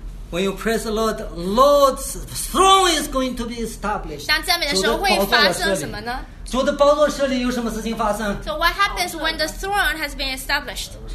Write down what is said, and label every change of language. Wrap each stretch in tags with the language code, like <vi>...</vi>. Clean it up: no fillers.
<en>When you praise the Lord, Lord's throne is going to be established.</en> <zh>当赞美的时候会发生什么呢？主的宝座设立有什么事情发生？</zh> <en>So what happens when the throne has been established?</en>